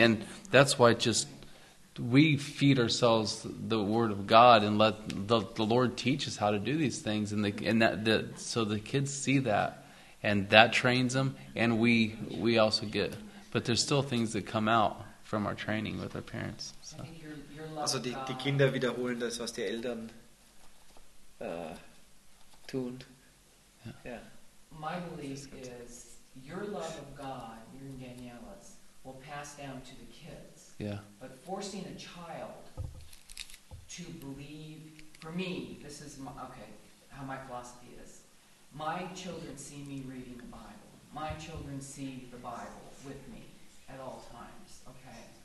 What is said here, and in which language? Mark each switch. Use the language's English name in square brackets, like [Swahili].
[English] And that's why just we feed ourselves the Word of God and let the Lord teach us how to do these things. So the kids see that and that trains them. And we also get, but there's still things that come out from our training with our parents. So. [German] Also die Kinder wiederholen das, was die Eltern tun. [English] Yeah. My belief is your love of God, your Daniela's, will pass down to the kids. Yeah. But forcing a child to believe, for me, this is my, okay, how my philosophy is. My children see me reading the Bible. My children see the Bible with me at all times, okay?